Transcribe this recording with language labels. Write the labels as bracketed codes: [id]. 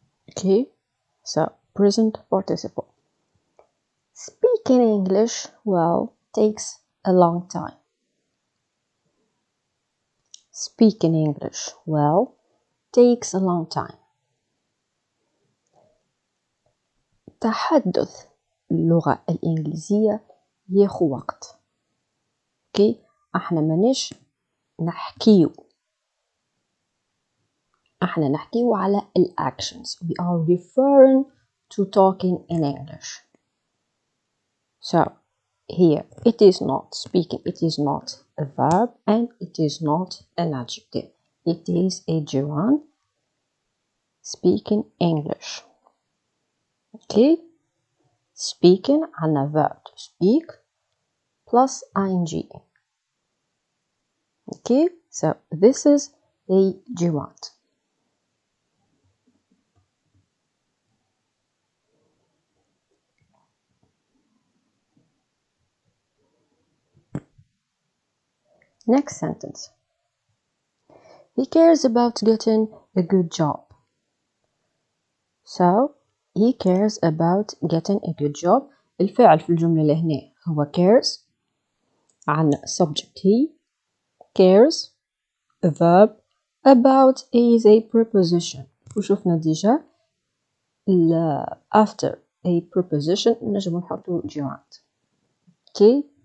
[en] Okay, so present participle. Speaking English, well, takes a long time. Speaking English, well, takes a long time. [ar] تحدث اللغة الإنجليزية ياخو وقت. اوكي، احنا مانيش نحكيو، احنا نحكيو على الاكشنز. [en] We are referring to talking in English. So here it is not speaking, it is not a verb and it is not an adjective. It is a gerund speaking English. Okay, speaking عنا verb speak plus ing. Okay, so this is a gerund. Next sentence. He cares about getting a good job. So he cares about getting a good job. [ar] الفعل في الجملة اللي هنا هو cares. [en] عن subject he cares. A verb about is a preposition. [ar] وشوفنا ديجا [en] after a preposition [ar] نجم نحط gerund. Okay.